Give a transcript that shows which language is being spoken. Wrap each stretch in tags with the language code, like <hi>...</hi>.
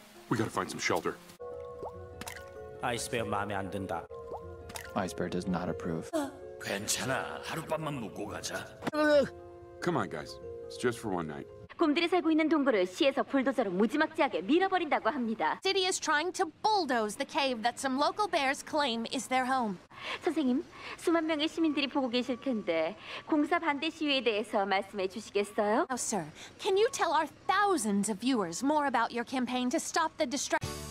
<en>We gotta find some shelter.</en> <ko>Ice Bear 마음에 안 든다.</ko> <en>Ice Bear does not approve.</en> <ko>괜찮아. 하룻밤만 묵고 가자.</ko> <en>Come on, guys. It's just for one night.</en> <ko>곰들이 살고 있는 동굴을 시에서 불도저로 무지막지하게 밀어버린다고 합니다.</ko> <en>City is trying to bulldoze the cave that some local bears claim is their home.</en> <ko>선생님, 수만 명의 시민들이 보고 계실 텐데 공사 반대 시위에 대해서 말씀해 주시겠어요?</ko> <en>Now, sir, can you tell our thousands of viewers more about your campaign to stop the destruction?</en>